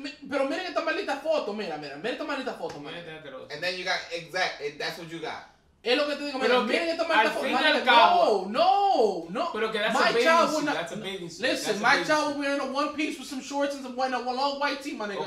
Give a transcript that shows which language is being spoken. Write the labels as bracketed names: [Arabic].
[Spanish] Pero miren esta maldita foto, mira esta maldita foto, man. [English] And then you got, exact, that's what you got. [Spanish] Es lo que te digo, mira, miren esta maldita foto. [English] Man, no. [Spanish] Pero que [English] that's a bathing suit. Listen, my child was wearing a one piece with some shorts and some white, a long white tee, my nigga.